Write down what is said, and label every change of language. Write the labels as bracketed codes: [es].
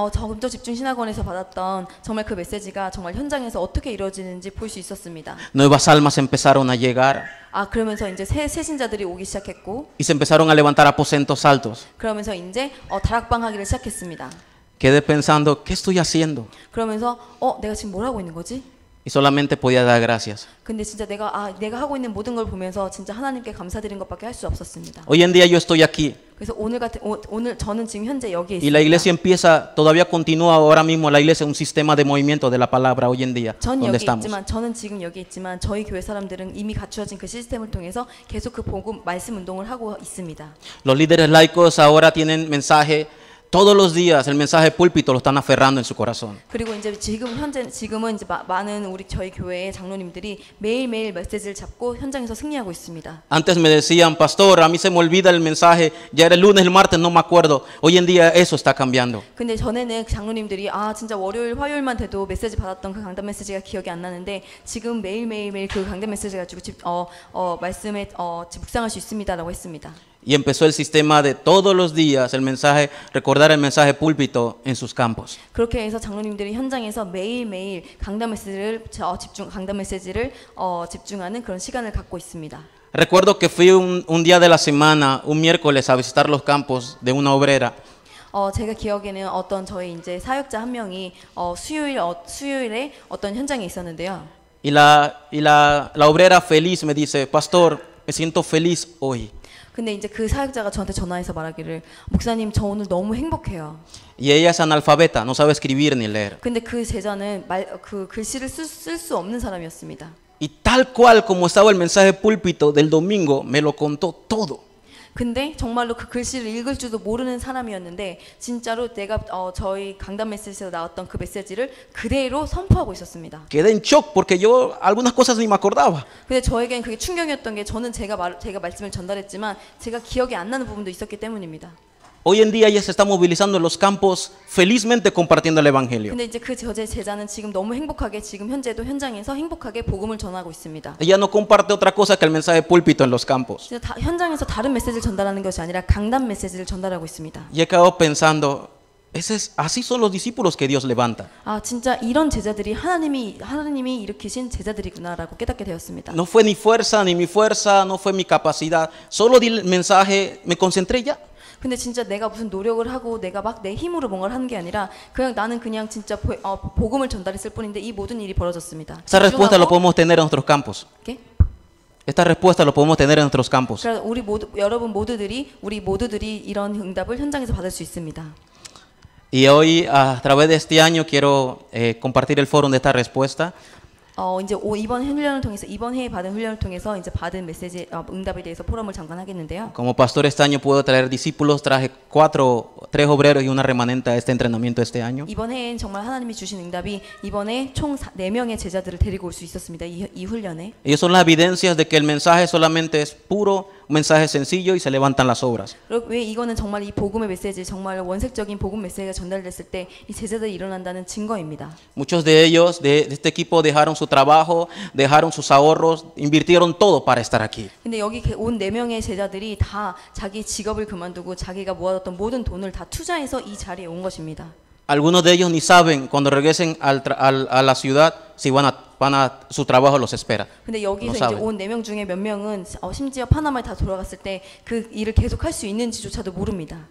[ko] 저 집중 신학원에서 받았던 정말 그 메시지가 정말 현장에서 어떻게 이루어지는지 볼 수 있었습니다. [es] Nuevas almas empezaron a llegar. [ko] 아 그러면서 이제 새 신자들이 오기 시작했고. [es] Y se empezaron a levantar aposentos altos. [ko] 그러면서 이제 다락방 하기를 시작했습니다. [es] Quedé pensando, ¿qué estoy haciendo? [ko] 그러면서 내가 지금 뭘 하고 있는 거지? [es] Y solamente podía dar gracias. [ko] 근데 진짜 내가 하고 있는 모든 걸 보면서 진짜 하나님께 감사드린 것밖에 할 수 없었습니다. [es] Hoy en día yo estoy aquí. [ko] 그래서 오늘 저는 지금 현재 여기에 있습니다. [es] Y la iglesia empieza todavía continúa ahora mismo la iglesia un sistema de movimiento de la palabra hoy en día. [ko] 저는 지금 여기 있지만 저희 교회 사람들은 이미 갖추어진 그 시스템을 통해서 계속 그 복음 말씀 운동을 하고 있습니다. [es] Los líderes laicos ahora tienen mensaje Todos los días el mensaje púlpito lo están aferrando en su corazón. [ko] 그리고 이제 지금은 이제 많은 우리 저희 교회의 장로님들이 매일매일 메시지를 잡고 현장에서 승리하고 있습니다. [es] Antes me decían, "Pastor, a mí se me olvida el mensaje. Ya era el lunes, el martes, no me acuerdo." Hoy en día eso está cambiando. [ko] 근데 전에는 장로님들이 진짜 월요일 화요일만 돼도 메시지 받았던 그 강단 메시지가 기억이 안 나는데 지금 매일매일 그 강단 메시지 가지고 말씀에 묵상할 수 있습니다라고 했습니다. [es] Y empezó el sistema de todos los días el mensaje recordar el mensaje púlpito en sus campos. [ko] 그렇게 해서 장로님들이 현장에서 매일매일 강단 메시지를 강단 메시지를 집중하는 그런 시간을 갖고 있습니다. [es] Recuerdo que fui un día de la semana, un miércoles a visitar los campos de una obrera. [ko] 제가 기억에는 어떤 저희 이제 사역자 한 명이 수요일에 어떤 현장에 있었는데요. [es] Y la obrera feliz me dice, "Pastor, me siento feliz hoy." [ko] 근데 이제 그 사역자가 저한테 전화해서 말하기를 목사님 저 오늘 너무 행복해요. [es] Y ella es analfabeta, no sabe escribir ni leer. [ko] 근데 그 제자는 그 글씨를 쓸 수 없는 사람이었습니다. [es] Y tal cual como estaba el mensaje púlpito del domingo me lo contó todo. [ko] 근데 정말로 그 글씨를 읽을 줄도 모르는 사람이었는데 진짜로 내가 저희 강단 메시지에서 나왔던 그 메시지를 그대로 선포하고 있었습니다. [es] Quedé en shock porque yo algunas cosas ni me acordaba. [ko] 근데 저에겐 그게 충격이었던 게 저는 제가 말씀을 전달했지만 제가 기억이 안 나는 부분도 있었기 때문입니다. [es] Hoy en día ya se está movilizando en los campos felizmente compartiendo el evangelio. [ko] 근데 이제 그 저제 제자는 지금 너무 행복하게 지금 현재도 현장에서 행복하게 복음을 전하고 있습니다. [es] Ella no comparte otra cosa que el mensaje púlpito en los campos. [ko] 현장에서 다른 메시지를 전달하는 것이 아니라 강단 메시지를 전달하고 있습니다. [es] Y he quedado pensando, así son los discípulos que Dios levanta. [ko] 진짜 이런 제자들이 하나님이 일으키신 제자들이구나라고 깨닫게 되었습니다. [es] No fue ni fuerza ni mi fuerza, no fue mi capacidad. Solo di el mensaje, me concentré ya. [ko] 근데 진짜 내가 무슨 노력을 하고 내가 막 내 힘으로 뭔가를 하는 게 아니라 그냥 나는 그냥 진짜 복음을 전달했을 뿐인데 이 모든 일이 벌어졌습니다. [es] Esta respuesta lo podemos tener en nuestros campos. ¿Qué? Esta respuesta lo podemos tener en nuestros campos. [ko] 그러니까 우리 모두들이 이런 응답을 현장에서 받을 수 있습니다. [es] Y hoy a través de este año quiero compartir el foro de esta respuesta. [ko] 이제 이번 훈련을 통해서 이번 해에 받은 훈련을 통해서 이제 받은 메시지 응답에 대해서 포럼을 잠깐 하겠는데요. [es] Como pastor este año puedo traer discípulos, traje cuatro, tres obreros y una remanente a este entrenamiento este año. [ko] 이번 해엔 정말 하나님이 주신 응답이 이번에 총 네 명의 제자들을 데리고 올 수 있었습니다. 이 훈련에. [es] Y son las evidencias de que el mensaje solamente es puro mensaje sencillo y se levantan las obras. [ko] 왜 이거는 정말 이 복음의 메시지 정말 원색적인 복음 메시지가 전달됐을 때 이 제자들이 일어난다는 증거입니다. [es] Muchos de ellos de este equipo dejaron su trabajo, dejaron sus ahorros, invirtieron todo para estar aquí. [ko] 근데 여기 온 네 명의 제자들이 다 자기 직업을 그만두고 자기가 모아뒀던 모든 돈을 다 투자해서 이 자리에 온 것입니다. [es] Algunos de ellos ni saben cuando regresen a la ciudad si van a su trabajo los espera. [ko] 근데 여기서 이제 온 네 명 중에 몇 명은 심지어 파나마에 다 돌아갔을 때 그 일을 계속할 수 있는지조차도 모릅니다.